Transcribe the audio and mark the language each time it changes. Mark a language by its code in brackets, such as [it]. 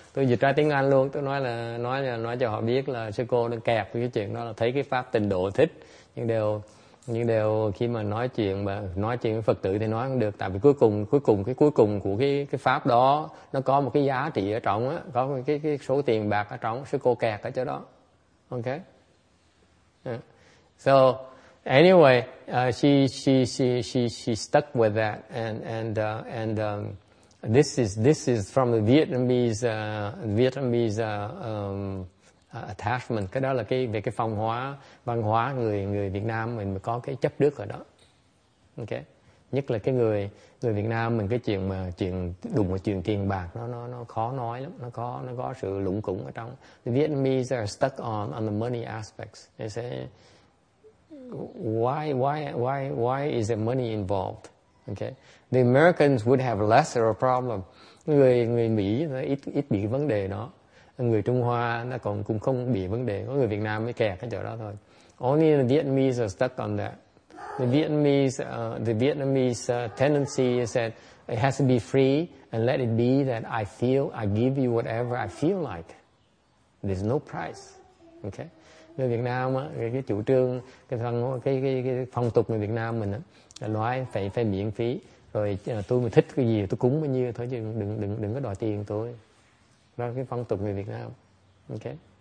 [vi] Tôi dịch ra tiếng Anh luôn, tôi nói cho họ biết là sư cô đang kẹp cái chuyện đó, là thấy cái pháp tịnh độ thích, nhưng đều khi mà nói chuyện với Phật tử thì nói không được, tại vì cuối cùng của cái pháp đó nó có một cái giá trị ở trong á, có cái số tiền bạc ở trong, sư cô kẹt ở chỗ đó. [en] Ok. So anyway, she stuck with that and this is from the Vietnamese attachment. [vi] Cái đó là cái về cái phong hóa văn hóa người Việt Nam mình có cái chấp đức ở đó. Ok, nhất là cái người Việt Nam mình cái chuyện mà chuyện đụng vào chuyện tiền bạc nó khó nói lắm, nó có sự lủng củng ở trong. [en] The Vietnamese are stuck on the money aspects. They say why is the money involved? Ok, the Americans would have less of a problem. [vi] Người Mỹ nó ít bị vấn đề đó. Người Trung Hoa nó cũng không bị vấn đề, có người Việt Nam mới kẹt cái chỗ đó thôi. [en] Only the Vietnamese are stuck on that. The Vietnamese tendency is that it has to be free and let it be that I give you whatever I feel like. There's no price. Okay? [vi] Người Việt Nam á, cái chủ trương, cái phong tục người Việt Nam mình á, là nói phải miễn phí, rồi tôi mà thích cái gì tôi cúng bao nhiêu thôi, chứ đừng có đòi tiền tôi. Đó là cái phong tục người Việt Nam. Ok.